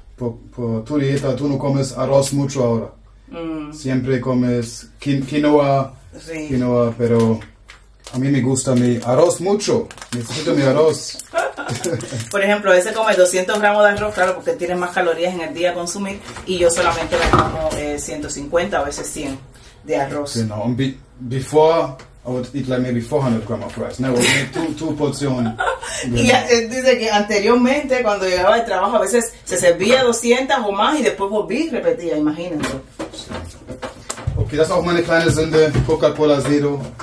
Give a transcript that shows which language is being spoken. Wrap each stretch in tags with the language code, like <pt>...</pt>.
<es>Por tu dieta, tú no comes arroz mucho ahora. Siempre comes quinoa, sí. Quinoa, pero a mí me gusta mi arroz mucho. Necesito mi arroz. Por ejemplo, ese come 200 gramos de arroz, claro, porque tiene más calorías en el día a consumir. Y yo solamente me como 150, a veces 100 de arroz. Sí, no.</es> <en>Before, I would eat like maybe 400 grams of rice. No, maybe two porciones.</en> <es>Y dice que anteriormente, cuando llegaba de trabajo, a veces se servía 200 o más y después volví y repetía, imagínense.</es> <de>Okay, das ist auch meine kleine Sünde, Coca-Cola Zero.</de>